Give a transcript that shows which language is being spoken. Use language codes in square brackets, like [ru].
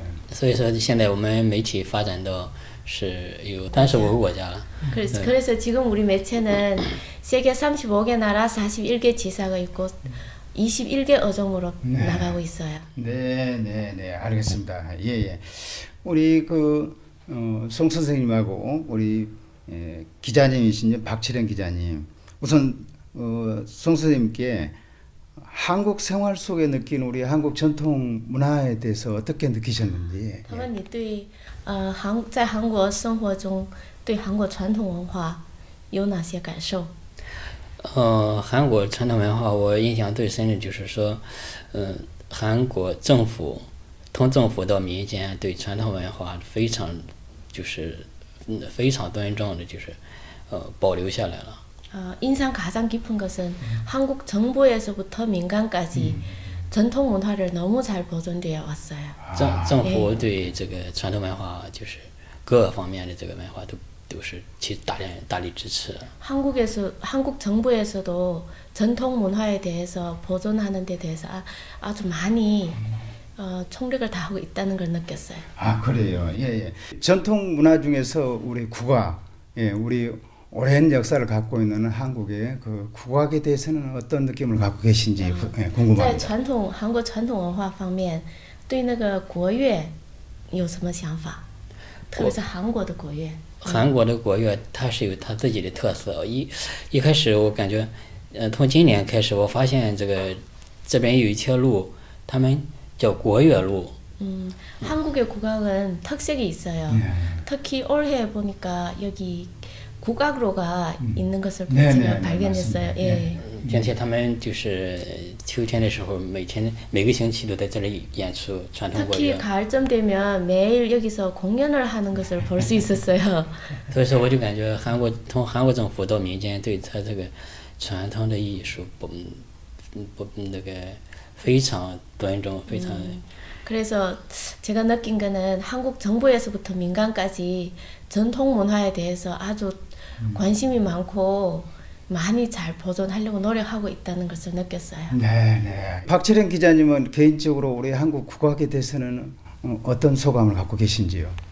[zh] 所以说，现在我们媒体发展到是有35个国家了。 [ko] 그래서 지금 우리 매체는 세계 35개 나라 41개 지사가 있고 21개 어종으로 나가고 있어요. 알겠습니다. 우리 송 선생님하고 우리 기자님이신 박치령 기자님, 우선 송 선생님께 한국 생활 속에 느낀 우리 한국 전통 문화에 대해서 어떻게 느끼셨는지. [zh] 他问你对，在韩国生活中，对韩国传统文化有哪些感受？韩国传统文化，我印象最深的就是说，韩国政府从政府到民间对传统文化非常，就是非常端正的，就是保留下来了。印象 [ko] 가장깊은것은한국정부에서부터민간까지전통문화를너무잘보존되어왔어요. [zh] 政府对这个传统文化，就是各方面的这个文化都是去大力支持。 [ko] 한국 정부에서도 전통 문화에 대해서 보존하는 데 대해서 아주 많이 총력을 다하고 있다는 걸 느꼈어요. 아, 그래요. 전통 문화 중에서 우리 국악, 우리 오랜 역사를 갖고 있는 한국의 그 국악에 대해서는 어떤 느낌을 갖고 계신지 궁금합니다. 한국 전통 문화 [zh] 方面, 对那个国乐有什么想法？特别是韩国的国乐。韩国的国乐，它是有它自己的特色。一开始我感觉，从今年开始，我发现这边有一条路，他们叫国乐路。 [ko] 한국의 국악은 특색이 있어요. 특히 올해 보니까 여기 국악로가 있는 것을 발견했어요. 예. [zh] 并且他们就是秋天的时候，每个星期都在这里演出传统国 [ko] 특히 [zh] 乐。 [ko] 가을쯤 되면 매일 여기서 공연을 하는 것을 볼수 있었어요. [zh] 所以说，我就感觉从韩国政府到民间对他这个传统的艺术不那个非常端正，非常。 [ko] 그래서 제가 느낀 거는 한국 정부에서부터 민간까지 전통 문화에 대해서 아주 관심이 많고 많이 잘 보존하려고 노력하고 있다는 것을 느꼈어요. 박철현 기자님은 개인적으로 우리 한국 국악에 대해서는 어떤 소감을 갖고 계신지요?